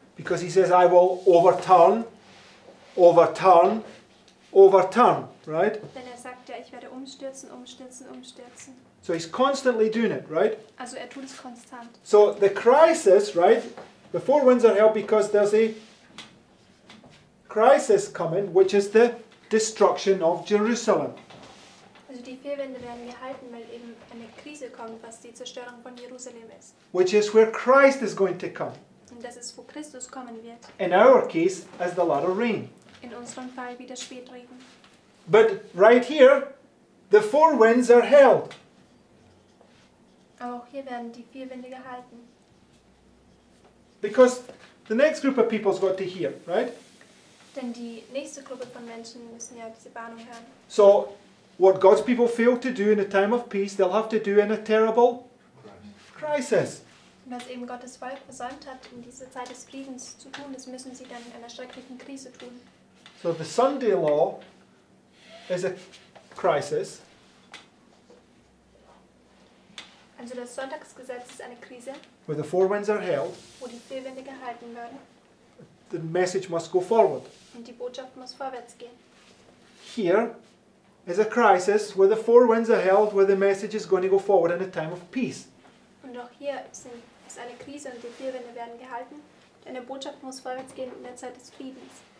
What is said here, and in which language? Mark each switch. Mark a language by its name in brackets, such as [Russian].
[English] Because he says, I will overturn, overturn, overturn, right? [German] Denn er sagt ja, ich werde umstürzen, umstürzen, umstürzen. [English] So he's constantly doing it, right? [German] Also er tut es konstant. [English] So the crisis, right? The four winds are held because there's a crisis coming, which is the destruction of Jerusalem. [German] Also die vier Winde werden gehalten, weil eben eine Krise kommt, was die Zerstörung von Jerusalem ist. [English] Which is where Christ is going to come. [German] Und das ist, wo Christus kommen wird. [English] In our case, as the latter rain. [German] In unserem Fall wie der Spätregen. [English] But right here, the four winds are held. [German] Auch hier werden die vier Winde gehalten. [English] Because the next group of people's got to hear, right? [German] Denn die nächste Gruppe von Menschen müssen ja diese Warnung hören. [English] So, what God's people fail to do in a time of peace, they'll have to do in a terrible crisis. [German] Was eben Gottes Volk versäumt hat, in dieser Zeit des Friedens zu tun, das müssen sie dann in einer schrecklichen Krise tun. [English] So the Sunday law is a crisis. [German] Also das Sonntagsgesetz ist eine Krise. [English] Where the four winds are held. [German] Wo die vier Winde gehalten werden. [English] The message must go forward. [German] Und die Botschaft muss vorwärts gehen. [English] Here is a crisis where the four winds are held, where the message is going to go forward in a time of peace. [German] Und auch hier ist eine Krise und die vier Winde werden gehalten. Eine Botschaft muss vorwärts gehen in der Zeit des Friedens.